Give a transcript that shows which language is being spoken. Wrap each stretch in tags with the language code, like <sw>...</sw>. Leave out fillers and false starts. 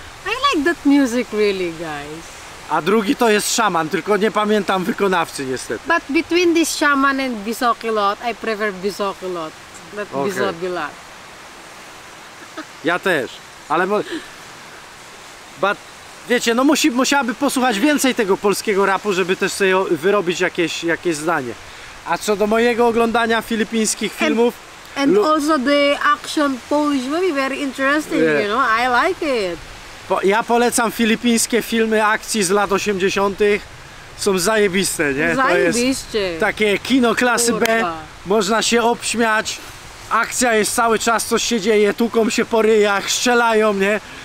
<en>I like that music really, guys.</en> <pl>A drugi to jest szaman, tylko nie pamiętam wykonawcy niestety.</pl> <en>But between this szaman and Wysoki lot, I prefer Wysoki lot. Not Wysoki lot.</en> <pl>Ja też. Ale</pl> <en>but</en> <pl>wiecie, no musiałaby posłuchać więcej tego polskiego rapu, żeby też sobie wyrobić jakieś zdanie. A co do mojego oglądania filipińskich filmów...</pl> <en>And also the action Polish movie, very interesting, yeah. You know, I like it.</en> <pl>Ja polecam filipińskie filmy akcji z lat 80. Są zajebiste, nie? Zajebiście. To jest takie kino klasy Kurwa. B, można się obśmiać, akcja jest cały czas, coś się dzieje, tuką się po ryjach, strzelają, nie?</pl>